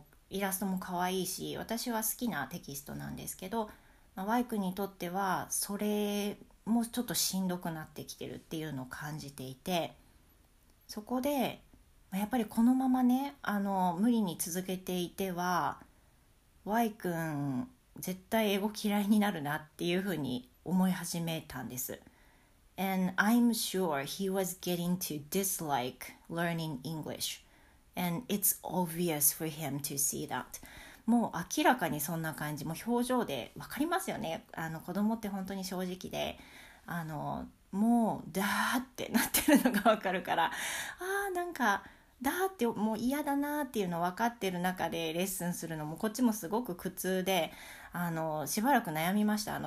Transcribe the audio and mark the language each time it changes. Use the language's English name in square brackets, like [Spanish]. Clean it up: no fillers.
[Japanese] イラストも可愛いし私は好きなテキストなんですけど、まあ、Y 君にとってはそれもちょっとしんどくなってきてるっていうのを感じていて、そこでやっぱりこのままね無理に続けていては Y 君絶対英語嫌いになるなっていうふうに思い始めたんです。 [English] And I'm sure he was getting to dislike learning English and it's obvious for him to see that。 [Japanese] もう明らかにそんな感じ、もう表情で分かりますよね。子供って本当に正直でもうダーってなってるのが分かるから、あーなんかダーってもう嫌だなーっていうの分かってる中でレッスンするのもこっちもすごく苦痛で、しばらく悩みました。